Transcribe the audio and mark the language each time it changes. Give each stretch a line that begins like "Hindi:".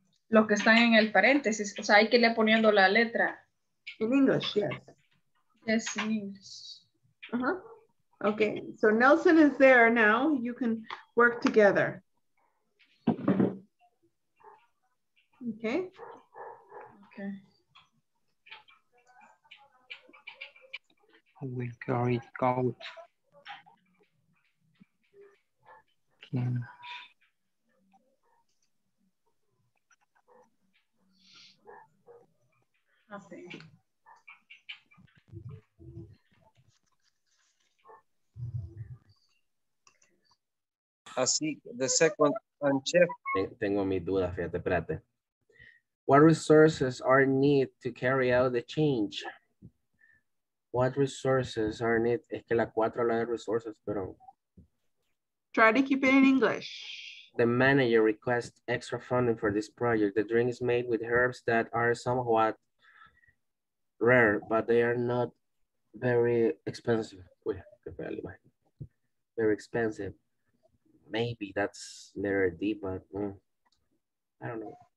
Spanish: Los que están en el paréntesis, o sea, hay que irle poniendo la letra.
English: In English, yes. Yes, in English. Uh-huh, okay, so Nelson is there now, you can work together. Okay. Okay. I will carry it out. Okay. Así, the second and chef.
Spanish: Tengo mis dudas, fíjate, espérate.
English: What resources are need to carry out the change? What resources are need?
Spanish: Es que la cuatro la de resources, pero.
English: Try to keep it in English. The manager requests extra funding for this project. The drink is made with herbs that are somewhat rare, but they are not very expensive. Very expensive. Maybe that's letter D, but I don't know.